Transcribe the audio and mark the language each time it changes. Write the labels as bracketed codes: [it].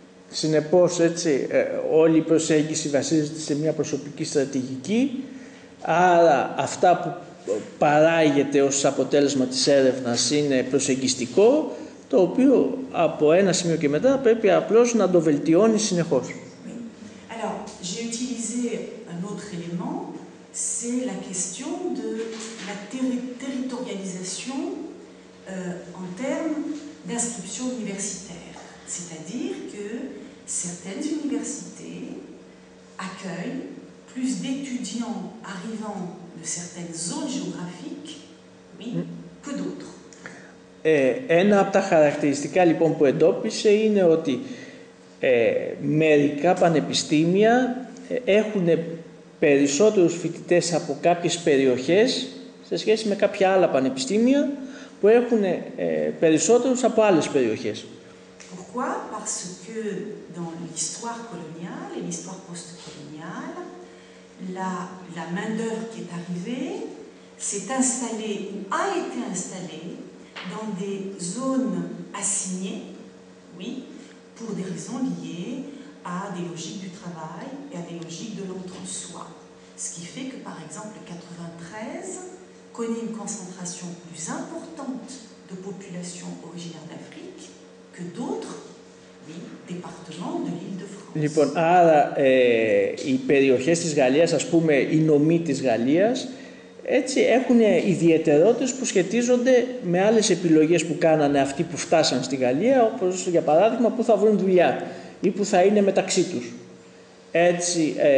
[el] Συνεπώς, έτσι, όλη η προσέγγιση βασίζεται σε μια προσωπική στρατηγική, άρα αυτά που παράγεται ως αποτέλεσμα της έρευνας είναι προσεγγιστικό, το οποίο από ένα σημείο και μετά πρέπει απλώς να το βελτιώνει συνεχώς. [fr] Alors, j'ai utilisé un autre élément, c'est la question de la territorialisation en termes d'inscription universitaire, c'est-à-dire que certaines universités accueillent plus d'étudiants arrivant de certaines zones géographiques, oui, que d'autres. [el] Ένα από τα χαρακτηριστικά, λοιπόν, που εντόπισε είναι ότι μερικά πανεπιστήμια έχουν περισσότερους φοιτητές από κάποιες περιοχές σε σχέση με κάποια άλλα πανεπιστήμια που έχουν περισσότερους από άλλες περιοχές. [fr] Pourquoi? Parce que dans l'histoire coloniale et l'histoire post-coloniale, la main-d'œuvre qui est arrivée s'est installée ou a été installée dans des zones assignées, oui, pour des raisons liées à des logiques du travail et à des logiques de l'entre-soi. Ce qui fait que, par exemple, 93 connaît une concentration plus importante de population originaire d'Afrique que d'autres, oui, départements de l'Île-de-France. [el] Λοιπόν, άρα οι περιοχές της Γαλλίας, ας πούμε οι νομοί της Γαλλίας, έτσι έχουν ιδιαιτερότητες που σχετίζονται με άλλες επιλογές που κάνανε αυτοί που φτάσαν στη Γαλλία, όπως για παράδειγμα που θα βρουν δουλειά ή που θα είναι μεταξύ τους. Έτσι,